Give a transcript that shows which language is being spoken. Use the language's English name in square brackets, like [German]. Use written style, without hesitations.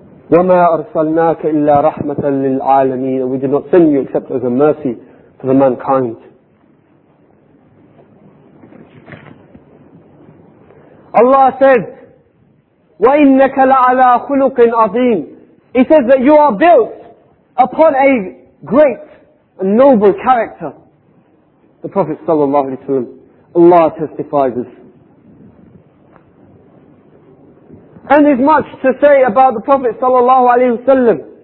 [Arabic] وَمَا أَرْسَلْنَاكَ إِلَّا رَحْمَةً لِلْعَالَمِينَ. [English] We did not send you except as a mercy to the mankind. Allah said, [Arabic] وَإِنَّكَ لَعَلَىٰ خُلُقٍ عَظِيمٍ. [English] He says that you are built upon a great and noble character. The Prophet ﷺ, Allah testifies this. And there's much to say about the Prophet sallallahu alaihi wasallam.